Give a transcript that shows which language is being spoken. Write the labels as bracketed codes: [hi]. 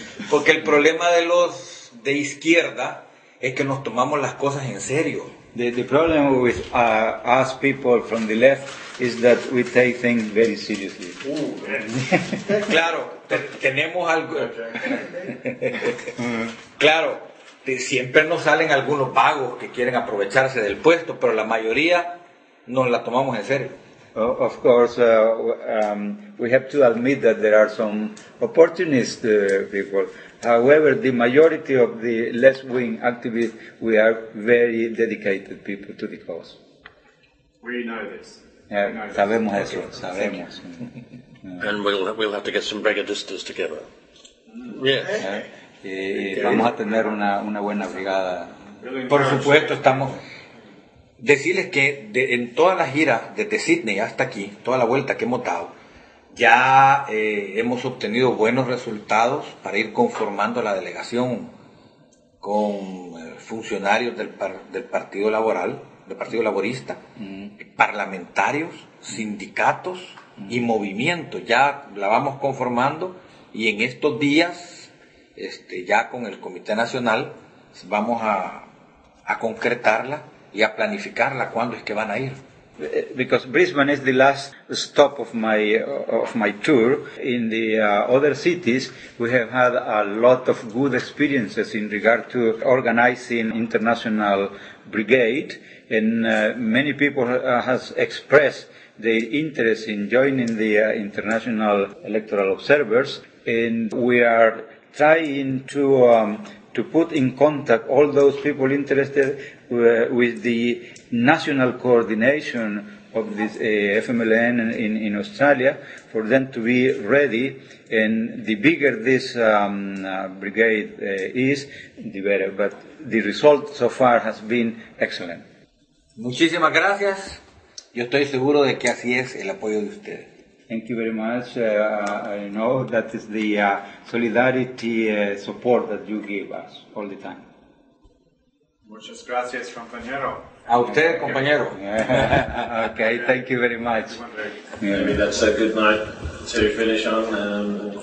[es] Porque el problema de los de izquierda es que nos tomamos las cosas en serio. [en] The problem with us people from the left is that we take things very seriously. [es] Claro, tenemos algo. Claro, siempre nos salen algunos vagos que quieren aprovecharse del puesto, pero la mayoría nos la tomamos en serio. [en] Of course, we have to admit that there are some opportunist people. However, the majority of the left-wing activists, we are very dedicated people to the cause. We know this. [es] Sabemos eso, sabemos. [en] And we'll have to get some brigadistas together. Yes. [es] Vamos a tener una buena brigada. Por supuesto, estamos... Decirles que en toda la gira, desde Sydney hasta aquí, toda la vuelta que hemos dado, ya hemos obtenido buenos resultados para ir conformando la delegación con funcionarios del Partido Laboral, del Partido Laborista, parlamentarios, sindicatos y movimientos. Ya la vamos conformando y en estos días, ya con el Comité Nacional, vamos a concretarla y a planificarla cuándo es que van a ir. [en] Because Brisbane is the last stop of my tour. In the other cities, we have had a lot of good experiences in regard to organizing international brigade, and many people has expressed their interest in joining the international electoral observers, and we are trying to put in contact all those people interested with the national coordination of this FMLN in Australia for them to be ready, and the bigger this brigade is, the better. But the result so far has been excellent. [es] Muchísimas gracias. Yo estoy seguro de que así es el apoyo de ustedes. [en] Thank you very much. I know that is the solidarity support that you give us all the time. [es] Muchas gracias, compañero. A usted, compañero. [en] Okay, thank you very much. Maybe that's a good note to finish on.